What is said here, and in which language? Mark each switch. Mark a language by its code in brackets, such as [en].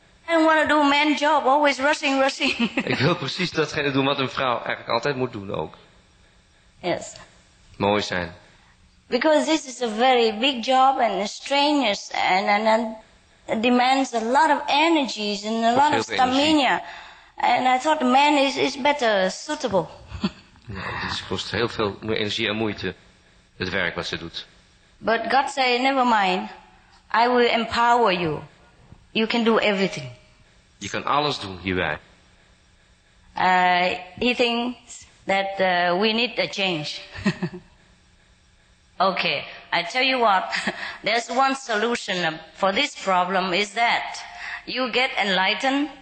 [en] I don't want to do a man job, always rushing. [nl] Ik wil precies datgene doen wat een vrouw eigenlijk altijd moet doen ook. [en] Yes. [nl] Mooi zijn. [en] Because this is a very big job and strenuous and demands a lot of energies and a lot of stamina. [nl] Energie. [en] And I thought man is better suitable. [nl] Het kost heel veel energie en moeite, het werk wat ze doet. [en] But God said, never mind, I will empower you. You can do everything. [nl] Je kan alles doen hierbij. [en] He thinks that we need a change. Okay, I tell you what, there's one solution for this problem is that you get enlightened.